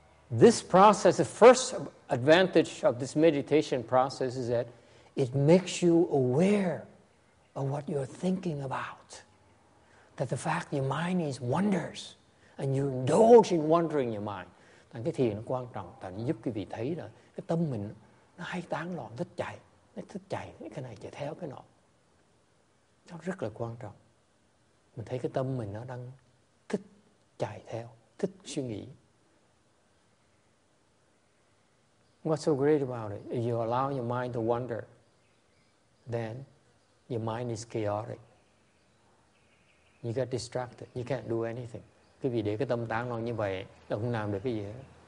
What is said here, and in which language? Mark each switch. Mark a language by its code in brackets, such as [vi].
[en] This process, the first advantage of this meditation process is that it makes you aware of what you're thinking about. That the fact your mind is wanders and you indulge in wandering your mind. [vi] Thành cái thiền nó quan trọng, thành giúp quý vị thấy là cái tâm mình nó hay tán loạn, thích chạy cái này chạy theo cái nọ. Nó rất là quan trọng. Mình thấy cái tâm mình nó đang thích chạy theo, thích suy nghĩ. [en] What's so great about it? If you allow your mind to wander, then your mind is chaotic. You get distracted. You can't do anything. [vi] Quý vị để cái tâm tán loạn như vậy, là không làm được cái gì hết.